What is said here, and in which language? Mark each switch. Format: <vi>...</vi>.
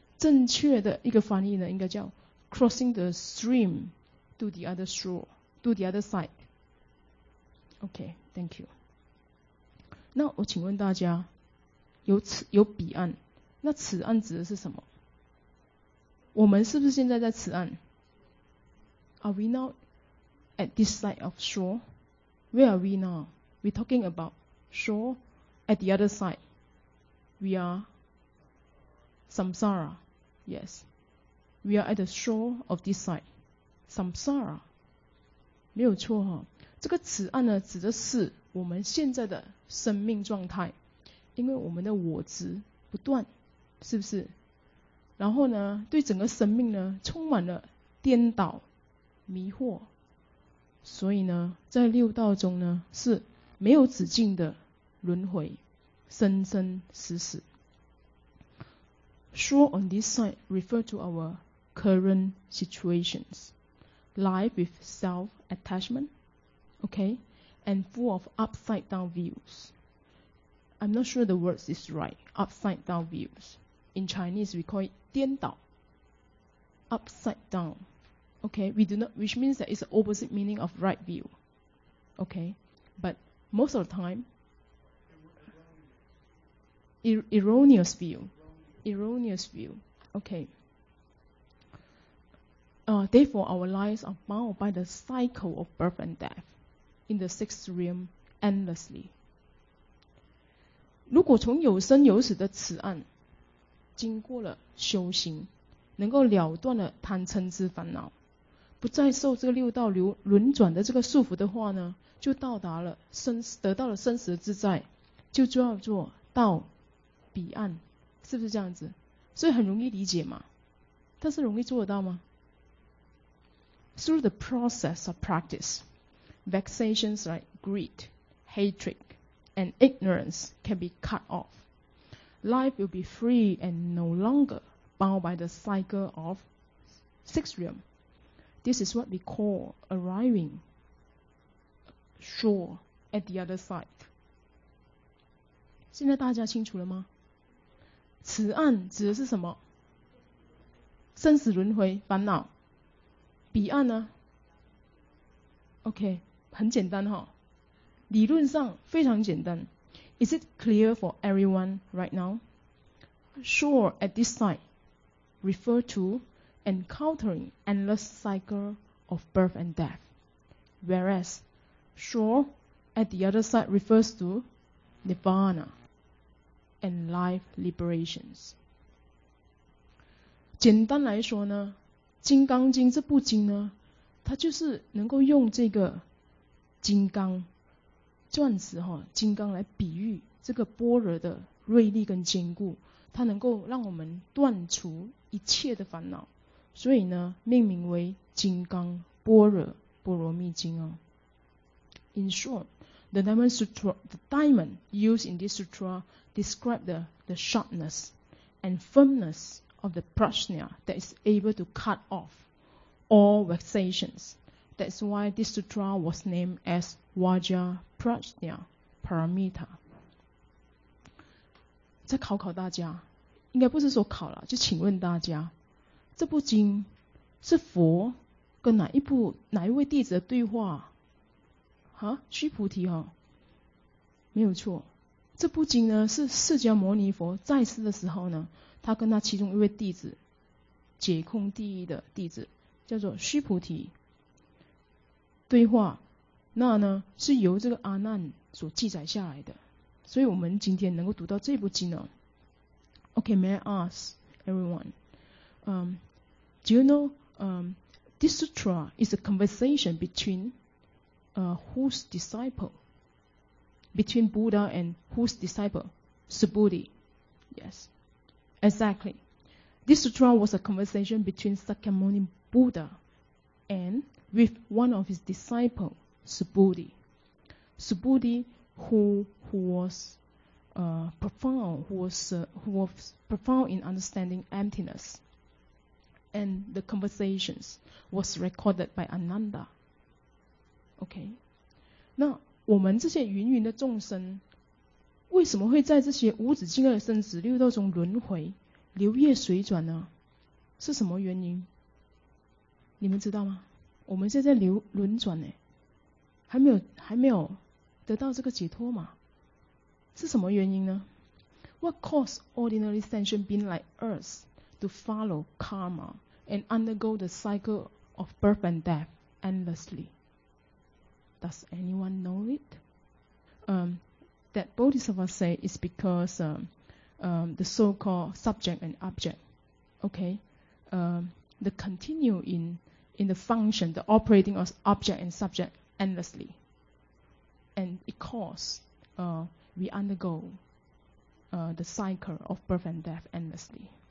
<zh>正确的一个翻译呢，应该叫</zh> <en>crossing the stream to the other shore, to the other side. Okay, thank you.</en> <zh>那我请问大家，有彼岸，那此岸指的是什么？我们是不是现在在此岸？</zh> <en>Are we now at this side of shore? Where are we now? We're talking about shore at the other side. We are samsara. Yes, we are at the shore of this side. Samsara.</en> <zh>没有错哈，这个此岸呢指的是我们现在的生命状态，因为我们的我执不断，是不是？然后呢，对整个生命呢充满了颠倒、迷惑，所以呢，在六道中呢是没有止境的轮回，生生死死。</zh> <en>Shore on this side refer to our current situations. Life with self-attachment, okay, and full of upside-down views. I'm not sure the word is right, upside-down views. In Chinese, we call it 颠倒 upside-down, okay, which means that it's the opposite meaning of right view, okay, but most of the time, erroneous view. Erroneous view. Okay. Therefore, our lives are bound by the cycle of birth and death in the sixth realm endlessly.</en> <zh>如果从有生有死的此岸经过了修行，能够了断了贪嗔痴烦恼，不再受这个六道轮转的这个束缚的话呢，就到达了得到了生死的自在，就叫做到彼岸。是不是这样子？所以很容易理解嘛，但是容易做得到吗？</zh> <en>Through the process of practice, vexations like greed, hatred, and ignorance can be cut off. life will be free and no longer bound by the cycle of sixth realm. This is what we call arriving sure at the other side.</en> <zh>现在大家清楚了吗？此岸指的是什么？生死轮回烦恼。彼岸呢？ OK， 很简单哈，理论上非常简单。</zh> <en>Is it clear for everyone right now? Sure at this side refer to encountering endless cycle of birth and death. Whereas sure at the other side refers to nirvana and life liberations.</en> <zh>简单来说呢，金刚经这部经呢，它就是能够用这个金刚钻石哈，金刚来比喻这个般若的锐利跟坚固，它能够让我们断除一切的烦恼，所以呢，命名为《金刚般若波罗蜜经》哦。</zh> <en>In short, the diamond sutra, the diamond used in this sutra describe the sharpness and firmness of the prajna that is able to cut off all vexations. That's why this sutra was named as Vajra Prajna Paramita.</en> <zh>再考考大家，应该不是说考了，就请问大家，这部经是佛跟哪一位弟子的对话？啊，须菩提哈，没有错。这部经呢，是释迦牟尼佛在世的时候呢，他跟他其中一位弟子，解空第一的弟子，叫做须菩提对话，那呢是由这个阿难所记载下来的，所以我们今天能够读到这部经呢。</zh> <en>Okay, may I ask everyone, do you know, this sutra is a conversation between, whose disciple? Between Buddha and whose disciple? Subuddhi. Yes. Exactly. This sutra was a conversation between Sakyamuni Buddha and with one of his disciples, Subuddhi. Subuddhi, who was profound in understanding emptiness. And the conversations was recorded by Ananda. Okay.</en> <zh>那我们这些芸芸的众生为什么会在这些无止境的生死六道中轮回流夜水转呢？是什么原因？你们知道吗？我们现在流轮转呢，还没有得到这个解脱嘛？是什么原因呢？</zh> <en>What caused ordinary sentient beings like us to follow karma and undergo the cycle of birth and death endlessly? Does anyone know it? That Bodhisattva say is because the so-called subject and object, okay, the continue in the function, the operating of object and subject endlessly, and it causes we undergo the cycle of birth and death endlessly.</en>